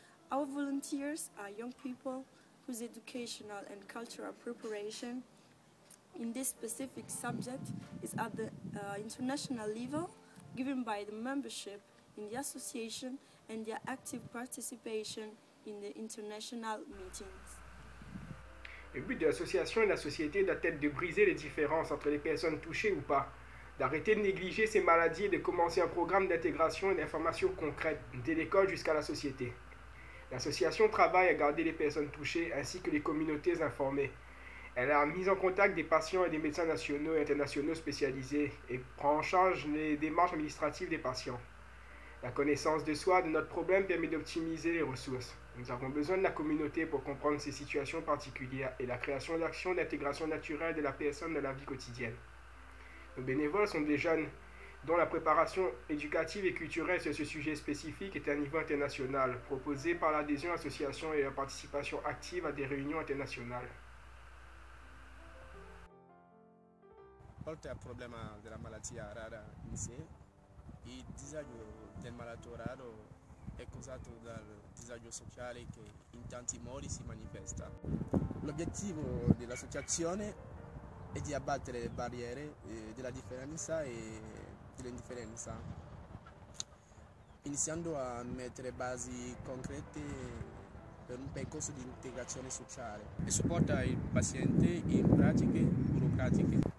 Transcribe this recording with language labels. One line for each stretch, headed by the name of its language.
English: Our volunteers are young people whose educational and cultural preparation in this specific subject is at the international level given by the membership in the association and their active participation in the international meetings.
French: Le but de l'association et de la société doit être de briser les différences entre les personnes touchées ou pas, d'arrêter de négliger ces maladies et de commencer un programme d'intégration et d'information concrète, dès l'école jusqu'à la société. L'association travaille à garder les personnes touchées ainsi que les communautés informées. Elle a mis en contact des patients et des médecins nationaux et internationaux spécialisés et prend en charge les démarches administratives des patients. La connaissance de soi, de notre problème, permet d'optimiser les ressources. Nous avons besoin de la communauté pour comprendre ces situations particulières et la création d'actions d'intégration naturelle de la personne dans la vie quotidienne. Nos bénévoles sont des jeunes, dont la préparation éducative et culturelle sur ce sujet spécifique est à un niveau international, proposée par l'adhésion à l'association et la participation active à des réunions internationales.
Italian: Oltre al problema della malattia rara in sé, il disagio del malato raro è causato dal disagio sociale che in tanti modi si manifesta. L'obiettivo dell'associazione è di abbattere le barriere della differenza e dell'indifferenza, iniziando a mettere basi concrete per un percorso di integrazione sociale e supporta il paziente in pratiche burocratiche.